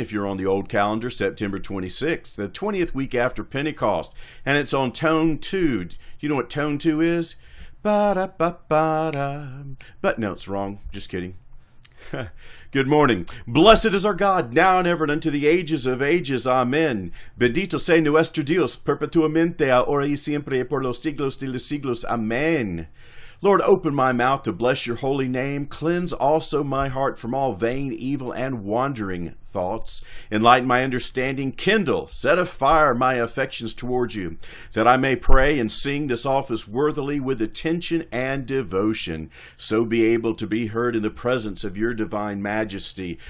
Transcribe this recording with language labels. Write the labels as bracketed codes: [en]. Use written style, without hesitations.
[en] If you're on the old calendar, September 26th, the 20th week after Pentecost. And it's on tone 2. Do you know what tone 2 is? Ba-da-ba-ba-da. But no, it's wrong. Just kidding. Good morning. Blessed is our God, now and ever, and unto the ages of ages. Amen. [es] Bendito sea nuestro Dios, perpetuamente, ahora y siempre, y por los siglos de los siglos. Amen. [en] Lord, open my mouth to bless your holy name. Cleanse also my heart from all vain, evil, and wandering thoughts. Enlighten my understanding. Kindle, set afire my affections towards you, that I may pray and sing this office worthily with attention and devotion, so be able to be heard in the presence of your divine majesty.